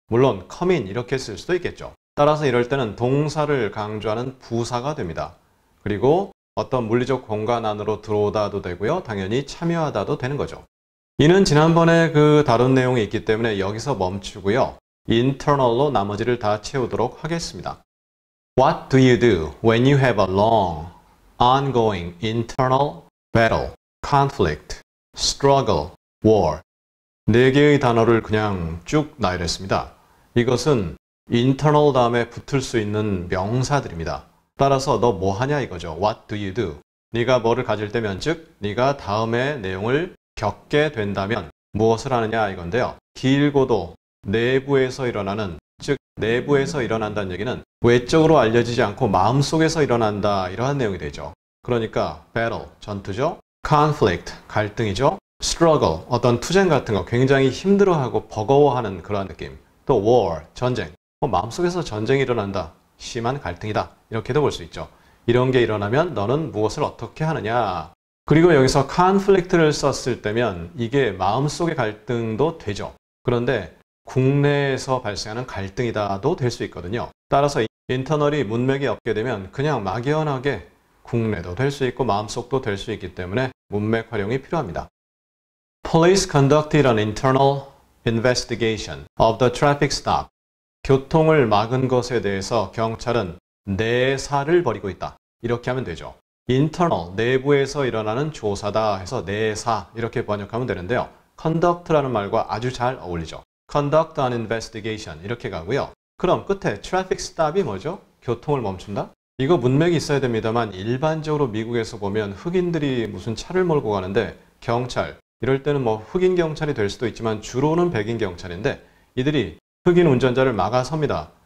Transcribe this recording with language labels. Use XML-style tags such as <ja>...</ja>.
<ko>물론</ko> <en>come in</en> <ko>이렇게 쓸 수도 있겠죠. 따라서 이럴 때는 동사를 강조하는 부사가 됩니다. 그리고 어떤 물리적 공간 안으로 들어오다도 되고요. 당연히 참여하다도 되는 거죠. 이는 지난번에 그 다룬 내용이 있기 때문에 여기서 멈추고요. internal로 나머지를 다 채우도록 하겠습니다.</ko> <en>What do you do when you have a long, ongoing internal battle, conflict, struggle, war?</en> <ko>네 개의 단어를 그냥 쭉 나열했습니다. 이것은 internal 다음에 붙을 수 있는 명사들입니다. 따라서 너 뭐 하냐 이거죠.</ko> <en>What do you do?</en> <ko>네가 뭐를 가질 때면 즉 네가 다음의 내용을 겪게 된다면 무엇을 하느냐 이건데요. 길고도 내부에서 일어나는 즉 내부에서 일어난다는 얘기는 외적으로 알려지지 않고 마음속에서 일어난다 이러한 내용이 되죠. 그러니까 battle 전투죠. conflict 갈등이죠. struggle 어떤 투쟁 같은 거 굉장히 힘들어하고 버거워하는 그러한 느낌. 또 war 전쟁 뭐 마음속에서 전쟁이 일어난다. 심한 갈등이다. 이렇게도 볼 수 있죠. 이런 게 일어나면 너는 무엇을 어떻게 하느냐. 그리고 여기서 conflict를 썼을 때면 이게 마음속의 갈등도 되죠. 그런데 국내에서 발생하는 갈등이다도 될 수 있거든요. 따라서 인터널이 문맥이 없게 되면 그냥 막연하게 국내도 될 수 있고 마음속도 될 수 있기 때문에 문맥 활용이 필요합니다.</ko> <en>Police conducted an internal investigation of the traffic stop.</en> <ko>교통을 막은 것에 대해서 경찰은 내사를 벌이고 있다. 이렇게 하면 되죠. internal, 내부에서 일어나는 조사다 해서 내사 이렇게 번역하면 되는데요. conduct라는 말과 아주 잘 어울리죠.</ko> <en>conduct an investigation</en> <ko>이렇게 가고요. 그럼 끝에 traffic stop이 뭐죠? 교통을 멈춘다? 이거 문맥이 있어야 됩니다만 일반적으로 미국에서 보면 흑인들이 무슨 차를 몰고 가는데 경찰, 이럴 때는 뭐 흑인 경찰이 될 수도 있지만 주로는 백인 경찰인데 이들이 흑인 운전자를 막아섭니다.</ko>